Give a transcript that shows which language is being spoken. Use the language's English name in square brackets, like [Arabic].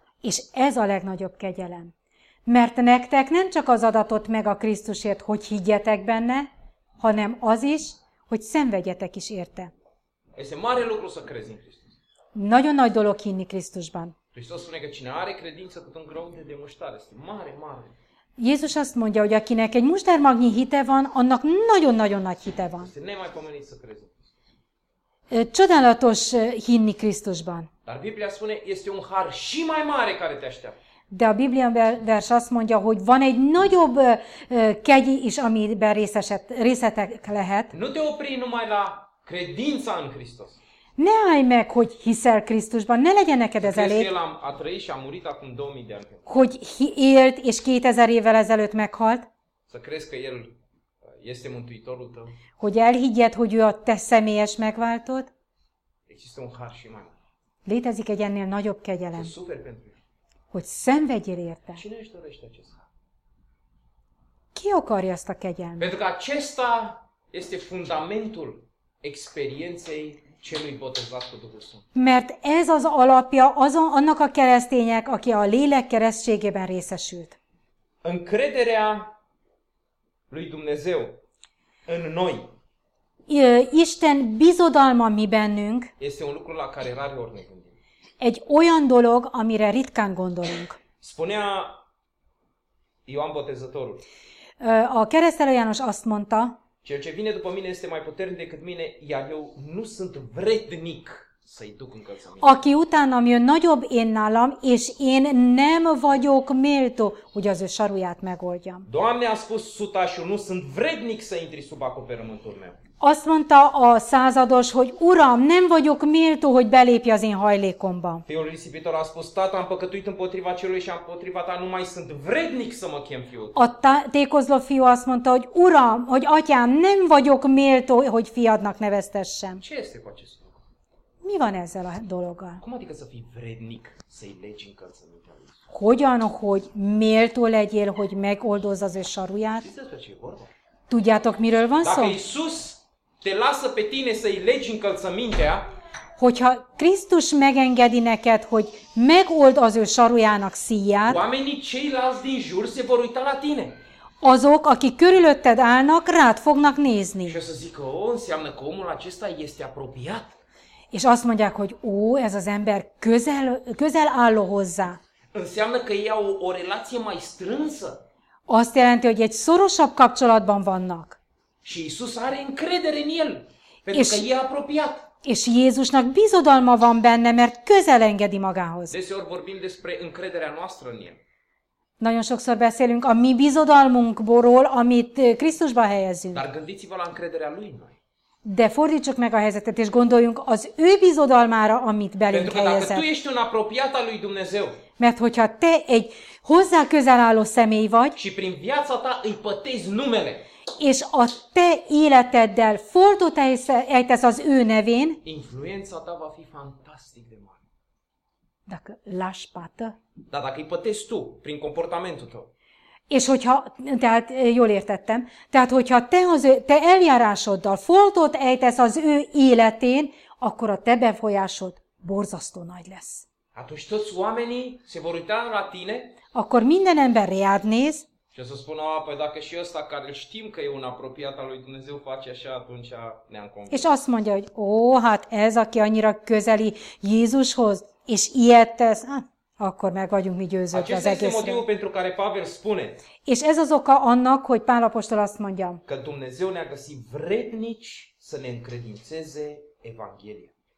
[Hungarian] És ez a legnagyobb kegyelem. Mert nektek nem csak az adatot meg a Krisztusért, hogy higgyetek benne, hanem az is, hogy szenvedjetek is érte. [Romanian] Este mare lucru să crezi în Hristos. [Hungarian] Nagyon nagy dolog hinni Krisztusban. [Romanian] Hristos spune că cine are credință cât un grăun de muștar, este mare, mare. [Hungarian] Jézus azt mondja, hogy akinek egy mustármagnyi hite van, annak nagyon-nagyon nagy hite van. [Romanian] Este nemai pomenit să crezi. [Hungarian] Csodálatos hinni Krisztusban. [Romanian] Dar Biblia spune, este un har și mai mare care te așteaptă. [Hungarian] De a Biblia vers azt mondja, hogy van egy nagyobb kegy is, amiben részetek lehet. [Romanian] Nu te opri numai la credința în Hristos. [Hungarian] Ne állj meg, hogy hiszel Krisztusban, ne legyen neked ez elég. [Romanian] A trăit și a murit acum 2000 de ani. [Hungarian] Hogy élt és 2000 évvel ezelőtt meghalt. [Romanian] Să crezi că el este mântuitorul tău. [Hungarian] Hogy elhiggyed, hogy ő a te személyes megváltod. [Romanian] Există un har și mai. [Hungarian] Létezik egy ennél nagyobb kegyelem. [Romanian] Super pentru. [Hungarian] Hogy szenvedjél érte. [Romanian] Cine își dorește acest har? [Hungarian] Ki akarja ezt a kegyelmet? [Romanian] Pentru că acesta este fundamentul experienței celui botezat cu Duhul Sfânt. [Hungarian] Mert ez az alapja azon, annak a keresztények, aki a lélek keresztségében részesült. [Romanian] Încrederea lui Dumnezeu în noi. [Hungarian] Isten bizodalma mi bennünk. [Romanian] Este un lucru la care rar ne gândim. [Hungarian] Egy olyan dolog, amire ritkán gondolunk. [Romanian] Spunea Ioan Botezătorul. [Hungarian] A keresztelő János azt mondta. [Romanian] Cel ce vine după mine este mai puternic decât mine, iar eu nu sunt vrednic să-i duc încălțămintea. [Hungarian] Aki utánam jön nagyobb én nálam, és én nem vagyok méltó, hogy az ő saruját megoldjam. [Romanian] Doamne, a spus sutașul, nu sunt vrednic să intri sub acoperământul meu. [Hungarian] Azt mondta a százados, hogy Uram, nem vagyok méltó, hogy belépj az én hajlékomba. [Romanian] Fiul risipitor a spus, Tata, am păcătuit împotriva cerului și împotriva ta, nu mai sunt vrednic să mă chem fiul. [Hungarian] A tékozló fiú azt mondta, hogy Uram, hogy atyám, nem vagyok méltó, hogy fiadnak neveztessem. [Romanian] Ce este cu acest lucru? [Hungarian] Mi van ezzel a dologgal? [Romanian] Cum adică să fii vrednic să-i legi încălțămintea lui? [Hungarian] Hogyan, hogy méltó legyél, hogy megoldozz az ő saruját? Tudjátok, miről van [Romanian] dacă [Hungarian] szó? [Romanian] Iisus te lasă pe tine să-i legi încălțămintea. [Hungarian] Hogyha Krisztus megengedi neked, hogy megold az ő sarujának szíját. [Romanian] Oamenii ceilalți din jur se vor uita la tine. [Hungarian] Azok, akik körülötted állnak, rád fognak nézni. És azt [Romanian] zică, ó, înseamnă că omul acesta este apropiat. [Hungarian] És azt mondják, hogy ó, ez az ember közel, közel álló hozzá. [Romanian] Înseamnă că ei au o relație mai strânsă. [Hungarian] Azt jelenti, hogy egy szorosabb kapcsolatban vannak. [Romanian] Și Iisus are încredere în el, pentru că e apropiat. [Hungarian] És Jézusnak bizodalma van benne, mert közel engedi magához. [Romanian] Deseori vorbim despre încrederea noastră în el. [Hungarian] Nagyon sokszor beszélünk a mi bizodalmunkból, amit Krisztusba helyezünk. [Romanian] Dar gândiți-vă la încrederea lui în noi. [Hungarian] De fordítsuk meg a helyzetet, és gondoljunk az ő bizodalmára, amit belünk helyezett. [Romanian] Pentru că dacă tu ești un apropiat al lui Dumnezeu, [Hungarian] mert hogyha te egy hozzá közel álló személy vagy, [Romanian] și prin viața ta îi pătezi numele, [Hungarian] és a te életeddel fordult ejtesz az ő nevén, [Romanian] influența ta va fi fantastic de mare. Dacă lași pată, da, dacă îi pătezi tu, prin comportamentul tău, [Hungarian] és hogyha, tehát jól értettem, tehát hogyha te, az ő, te eljárásoddal foltot ejtesz az ő életén, akkor a te befolyásod borzasztó nagy lesz. Hát, hogy [Romanian] toți oamenii se vor uita la tine, [Hungarian] akkor minden ember reád néz, [Romanian] și o să spună, a, păi dacă și ăsta care știm că e un apropiat al lui Dumnezeu face așa, atunci ne-am convins. [Hungarian] És azt mondja, hogy ó, hát ez, aki annyira közeli Jézushoz, és ilyet tesz, akkor meg vagyunk mi győzők az egészre. [Romanian] Acesta este motivul pentru care Pavel spune. [Hungarian] És ez az oka annak, hogy Pál apostol azt mondja. [Romanian] Că Dumnezeu ne-a găsit vrednici să ne încredințeze Evanghelia.